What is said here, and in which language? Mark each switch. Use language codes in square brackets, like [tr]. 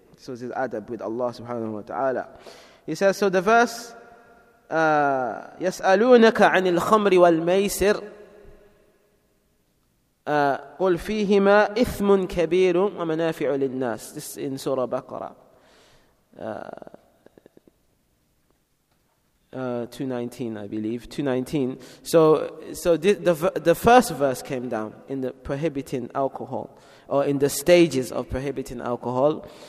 [en] This was his adab with Allah subhanahu wa ta'ala. He says, so the verse, [ar] يَسْأَلُونَكَ عَنِ الْخَمْرِ وَالْمَيْسِرِ قُلْ فِيهِمَا إِثْمٌ كَبِيرٌ وَمَنَافِعُ لِلنَّاسِ. [en] This is in Surah Baqarah, 219, I believe. 219. So the first verse came down in the prohibiting alcohol, or in the stages of prohibiting alcohol.